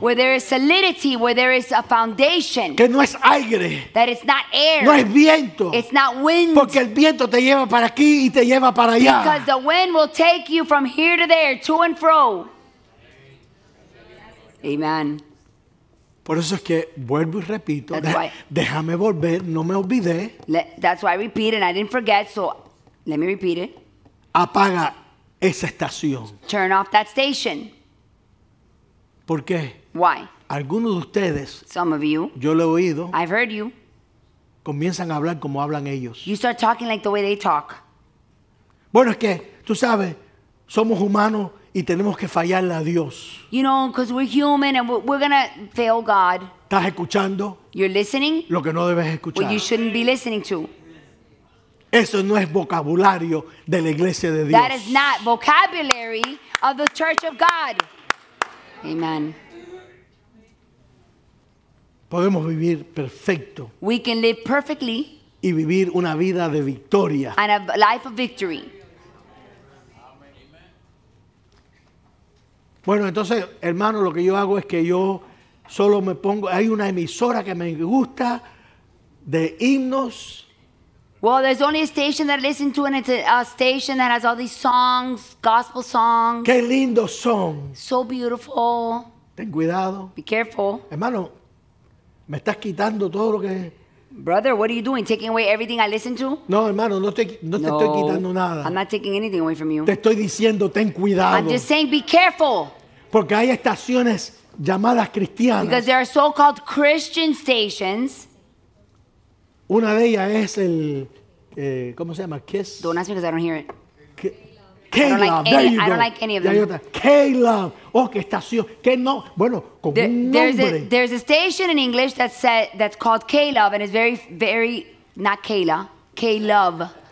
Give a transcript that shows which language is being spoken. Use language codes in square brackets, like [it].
[en] Where there is solidity, where there is a foundation. [es] Que no es aire. [en] That it's not air. [es] No es viento. [en] It's not wind. [es] Porque el viento te lleva para aquí y te lleva para allá. [en] Because the wind will take you from here to there, to and fro. Amen. [es] Por eso es que vuelvo y repito. Déjame volver, no me olvidé. [en] That's why I repeat and I didn't forget, so let me repeat it. [es] Apaga esa estación. [en] Turn off that station. [es] ¿Por qué? [en] Why? [es] Algunos de ustedes, [en] some of you, [es] yo lo he oído, [en] I've heard you, [es] comienzan a hablar como hablan ellos. [en] You start talking like the way they talk. [es] Bueno, es que, tú sabes, somos humanos y tenemos que fallarle a Dios. [en] You know, because we're human and we're going to fail God. [es] ¿Estás escuchando? [en] You're listening? [es] Lo que no debes escuchar. [en] What you shouldn't be listening to. [es] Eso no es vocabulario de la iglesia de Dios. [en] That is not vocabulary of the church of God. Amen. [es] Podemos vivir perfecto. [en] We can live perfectly. [es] Y vivir una vida de victoria. [en] And a life of victory. [es] Bueno, entonces, hermano, lo que yo hago es que yo solo me pongo. Hay una emisora que me gusta de himnos. [en] Well, there's only a station that I listen to, and it's a station that has all these songs, gospel songs. [es] Qué lindo son. [en] So beautiful. [es] Ten cuidado. [en] Be careful. [es] Hermano, me estás quitando todo lo que. [en] Brother, what are you doing? Taking away everything I listen to? [es] No, hermano, no te estoy quitando nada. [en] I'm not taking anything away from you. [es] Te estoy diciendo, ten cuidado. [en] I'm just saying, be careful. [es] Porque hay estaciones llamadas cristianas. [en] Because there are so-called Christian stations. [es] Una de ellas es el, ¿cómo se llama? [en] Kiss. Don't ask me because I don't hear it. Keila, like there you go. I don't like any of them. [es] Keila, oh, qué estación. Qué no, bueno, con un nombre. [en] There's a station in English that's called Keila, and it's very, very, not Keila, Keila.